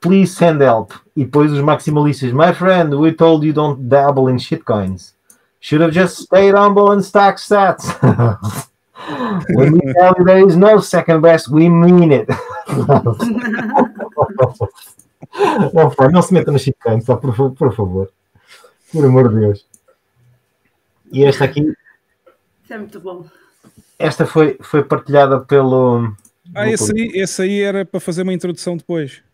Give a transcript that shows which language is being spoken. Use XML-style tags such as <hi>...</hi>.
<en>Please send help.</en> <pt>E depois os maximalistas.</pt> <en>My friend, we told you don't dabble in shitcoins. Should have just stayed humble and stack stats. When we tell you there is no second best, we mean it.</en> <pt>Não se meta nos shitcoins, só por favor. Por amor de Deus. E esta aqui. Isso é muito bom. Esta foi partilhada pelo. Ah, esse aí era para fazer uma introdução depois.</pt>